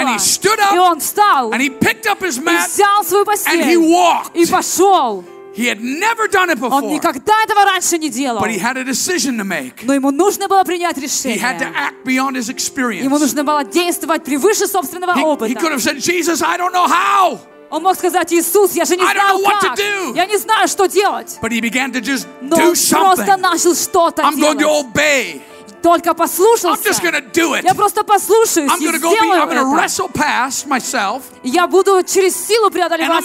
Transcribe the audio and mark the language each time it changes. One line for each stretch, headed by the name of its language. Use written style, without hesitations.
English: And he stood up,
Russian: и он встал.
English: And he picked up his mat,
Russian: и взял свою постель.
English: And he walked.
Russian: И пошел.
English: He had never done it before.
Russian: Он никогда этого раньше не делал.
English: But he had a decision to make.
Russian: Но ему нужно было принять решение.
English: He had to act beyond his experience.
Russian: Ему нужно было действовать превыше собственного опыта.
English: He could have said, "Jesus, I don't know how."
Russian: Он мог сказать, Иисус, я же не знаю как. Я не знаю, что делать.
English: But he began to just
Russian: Но
English: do something.
Russian: Но просто начал что-то
English: I'm
Russian: делать.
English: I'm going to obey.
Russian: Только послушался.
English: I'm just going to do it.
Russian: Я просто послушаюсь
English: I'm
Russian: и сделаю это.
English: I'm going to wrestle past myself.
Russian: Я буду через силу преодолевать